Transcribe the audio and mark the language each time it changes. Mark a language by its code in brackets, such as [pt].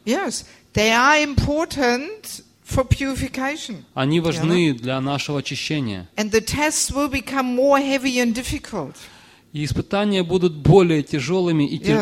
[en] Yes, they are important for purification. [ru] Они важны для нашего очищения. [en] And the tests will become more heavy and difficult. [ru] И испытания будут более тяжелыми и